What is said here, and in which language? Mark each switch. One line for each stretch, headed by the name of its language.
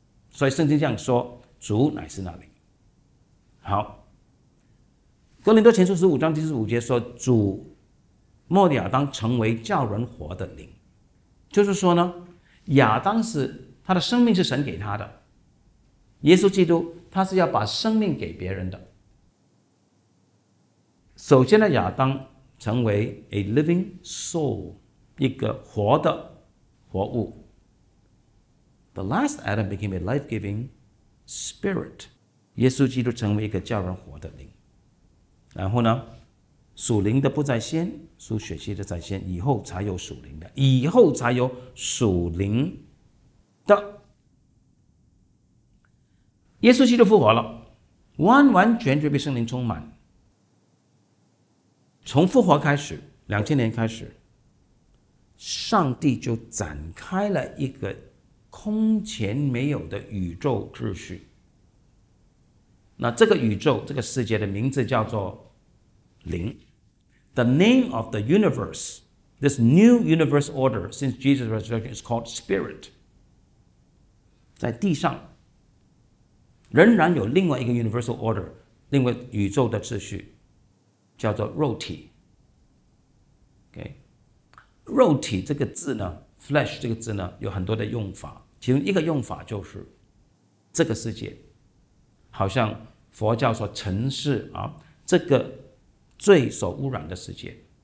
Chinese: 所以圣经这样说，主乃是那灵。好，哥林多前书十五章第十五节说，主末了亚当成为叫人活的灵，就是说呢，亚当是他的生命是神给他的，耶稣基督他是要把生命给别人的。首先呢，亚当成为
English: a living soul，
Chinese: 一个活的活物。
English: The last Adam became a life-giving spirit.
Chinese: 耶稣基督成为一个叫人活的灵。然后呢，属灵的不在先，属血气的在先，以后才有属灵的，以后才有属灵的。耶稣基督复活了，完完全全被圣灵充满。从复活开始，2000年开始，上帝就展开了一个空前没有的宇宙秩序。那这个宇宙，这个世界的名字叫做灵。
English: The name of the universe, this new universe order since Jesus' resurrection is called spirit.
Chinese: 在地上仍然有另外一个
English: universal order,
Chinese: 另外宇宙的秩序叫做肉体。 okay? 肉体这个字呢， flesh 这个字呢，有很多的用法，其中一个用法就是这个世界，好像佛教说尘世，这个罪所污染的世界，